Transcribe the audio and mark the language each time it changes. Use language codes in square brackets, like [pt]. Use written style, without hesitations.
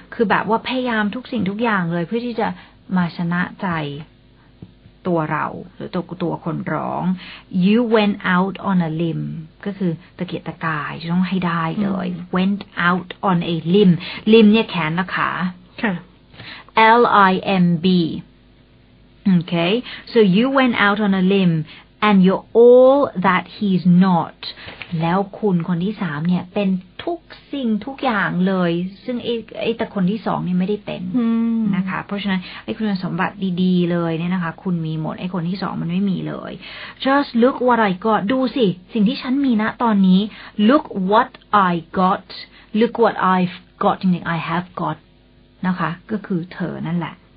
[th] คือแบบว่าพยายามทุกสิ่งทุกอย่างเลยเพื่อที่จะมาชนะใจตัวเราหรือตัวคนร้อง [en] you went out on a limb [th] ก็คือตะเกียกตะกายต้องให้ได้เลย [en] went out on a limb limb [th] เนี่ยแขนและขา ค่ ะ [en] l i m bOkay, so you went out on a limb, and you're all that he's not. [th] แล้วคุณคนที่สามเนี่ยเป็นทุกสิ่งทุกอย่างเลยซึ่งไอ้ตะคนที่สองเนี่ยไม่ได้เป็นนะคะเพราะฉะนั้นไอ้คุณสมบัติดีๆเลยเนี่ยนะคะคุณมีหมดไอ้คนที่สองมันไม่มีเลย [en] just look what I got [th] ดูสิสิ่งที่ฉันมีนะตอนนี้ [en] look what I got look what I've got [th] จริงๆ [en] I have got [th] นะคะก็คือเธอนั่นแหละ